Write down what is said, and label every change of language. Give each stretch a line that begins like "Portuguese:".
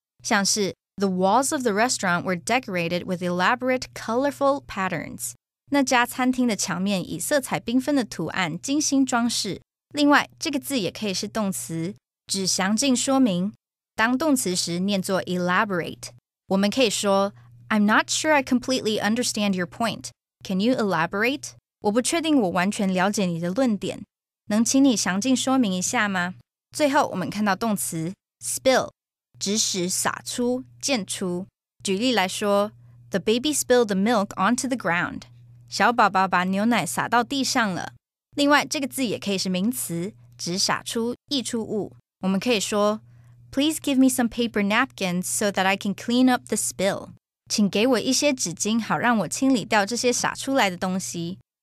Chinese: 像是
English: The walls of the restaurant were decorated with elaborate colorful patterns.
Chinese: 那家餐厅的墙面以色彩缤纷的图案精心装饰。另外，这个字也可以是动词，指详尽说明。当动词时念作 elaborate。我们可以说
English: I'm not sure I completely understand your point. Can you elaborate?
Chinese: 我不确定我完全了解你的论点。能请你详尽说明一下吗？最后我们看到动词 spill, 指使洒出、溅出。举例来说
English: The baby spilled the milk onto the ground.
Chinese: 小宝宝把牛奶洒到地上了。另外这个字也可以是名词，指洒出、溢出物。我们可以说
English: Please give me some paper napkins so that I can clean up the spill.
Chinese: 请给我一些纸巾好让我清理掉这些洒出来的东西。